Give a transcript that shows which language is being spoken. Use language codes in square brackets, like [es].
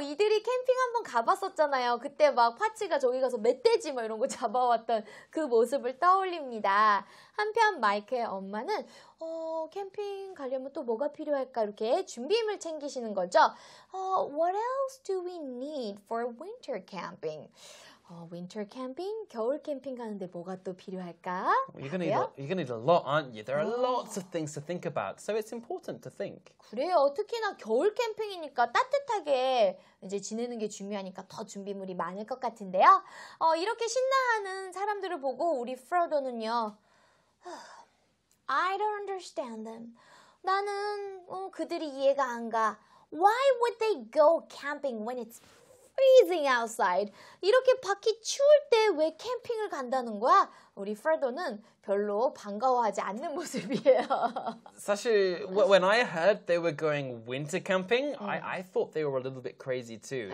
[ko] 이들이 캠핑 한번 가봤었잖아요. 그때 막 파츠가 저기 가서 멧돼지 막 이런 거 잡아왔던 그 모습을 떠올립니다. 한편 마이크의 엄마는 캠핑 가려면 또 뭐가 필요할까 이렇게 준비물 챙기시는 거죠. [en] What else do we need for winter camping? Winter camping? [ko] 겨울 캠핑 가는데 뭐가 또 필요할까? [en] You're gonna need a lot, aren't you? There are lots of things to think about, so it's important to think. [ko] 그래요. 특히나 겨울 캠핑이니까 따뜻하게 이제 지내는 게 중요하니까 더 준비물이 많을 것 같은데요. 이렇게 신나하는 사람들을 보고 우리 프로도는요. [en] I don't understand them. [ko] 나는 그들이 이해가 안 가. [en] Why would they go camping when it's freezing outside. [ko] 이렇게 밖이 추울 때 왜 캠핑을 간다는 거야? 우리 프레도는 별로 반가워하지 않는 모습이에요. 사실, [en] when I heard they were going winter camping, I thought they were a little bit crazy too.